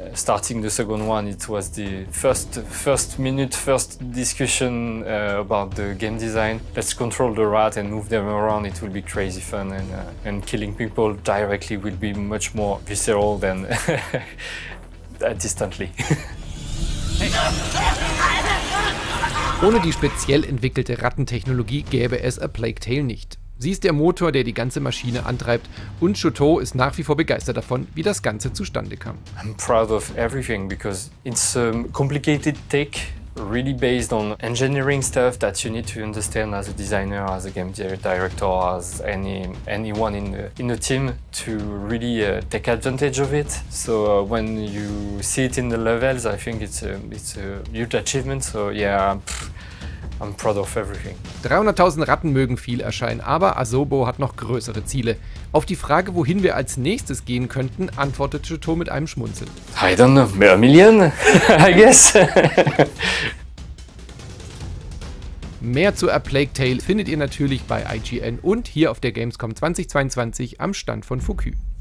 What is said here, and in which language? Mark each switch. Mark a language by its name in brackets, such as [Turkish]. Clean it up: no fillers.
[English] Starting the second one, it was the first discussion about the game design. Let's control the rat and move them around, it will be crazy fun, and killing people directly will be much more visceral than distantly. [German] Ohne die speziell entwickelte Rattentechnologie gäbe es A Plague Tale nicht. Sie ist der Motor, der die ganze Maschine antreibt, und Chouteau ist nach wie vor begeistert davon, wie das Ganze zustande kam. [English] I'm proud of everything, because it's a complicated tech, really based on engineering stuff that you need to understand as a designer, as a game director, as anyone in the team to really take advantage of it. So when you see it in the levels, I think it's a huge achievement. So yeah, I'm proud of everything. [German] 300.000 Ratten mögen viel erscheinen, aber Asobo hat noch größere Ziele. Auf die Frage, wohin wir als nächstes gehen könnten, antwortet Chuto mit einem Schmunzeln. [English] I don't know, Mermillion, I guess. [German] Mehr zu A Plague Tale findet ihr natürlich bei IGN und hier auf der Gamescom 2022 am Stand von Fukü.